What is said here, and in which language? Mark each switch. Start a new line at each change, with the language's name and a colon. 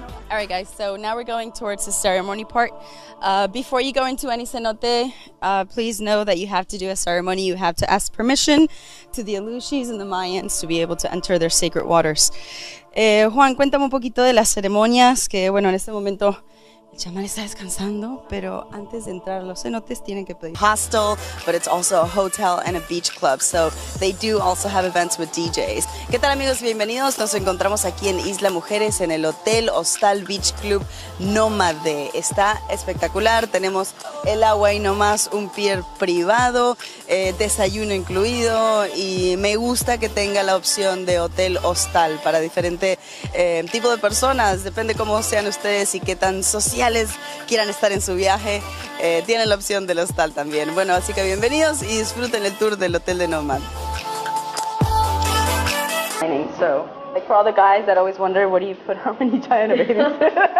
English: All right, guys, so now we're going towards the ceremony part. Before you go into any cenote, please know that you have to do a ceremony. You have to ask permission to the Alushis and the Mayans to be able to enter their sacred waters.
Spanish: Juan, cuéntame un poquito de las ceremonias, que bueno, en este momento el chamán está descansando, pero antes de entrar a los cenotes tienen que pedir.
English: Hostel, but it's also a hotel and a beach club, so they do also have events with DJs.
Spanish: ¿Qué tal, amigos? Bienvenidos. Nos encontramos aquí en Isla Mujeres, en el Hotel Hostal Beach Club Nómade. Está espectacular. Tenemos el agua y nomás un pier privado, desayuno incluido, y me gusta que tenga la opción de hotel hostal para diferente tipo de personas. Depende cómo sean ustedes y qué tan sociales quieran estar en su viaje, tienen la opción del hostal también. Bueno, así que bienvenidos y disfruten el tour del Hotel de Nomad.
English: So, like for all the guys that always wonder, what do you put on when you tie in a bathing suit?